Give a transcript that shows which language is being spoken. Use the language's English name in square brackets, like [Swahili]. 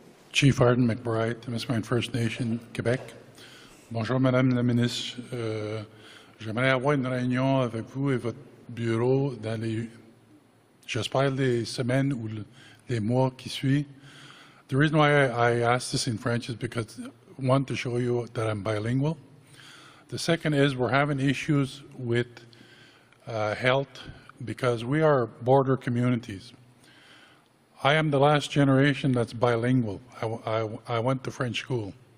[English] Chief Arden McBride, the Miss Mind First Nation, Quebec. [French] Bonjour, Madame la Ministre. J'aimerais avoir une réunion avec vous et votre bureau dans les. J'espère les semaines ou les mois qui suivent. [English] The reason why I ask this in French is because I want to show you that I'm bilingual. The second is we're having issues with health because we are border communities. I am the last generation that's bilingual. I went to French school.